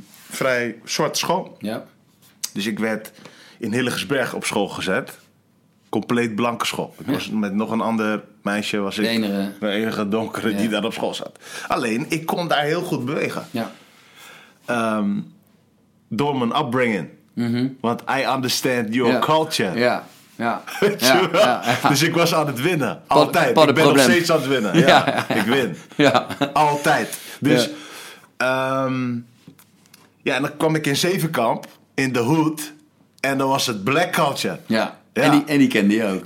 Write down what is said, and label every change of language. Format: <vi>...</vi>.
<nl>Vrij zwarte school. Ja. Dus ik werd in Hillegersberg op school gezet. Compleet blanke school. Ik was met nog een ander meisje. De enige donkere die daar op school zat. Alleen, ik kon daar heel goed bewegen. Ja. Door mijn upbringing. Mm-hmm.</nl> <en>Want I understand your culture.</en> <nl>Ja. Dus ik was aan het winnen. Altijd. Ik ben nog steeds aan het winnen. Ja. Ik win. Ja. Altijd. Dus... Ja. Ja, en dan kwam ik in Zevenkamp, in de hood, en dan was het black culture. Ja, ja. En die kende je ook.</nl>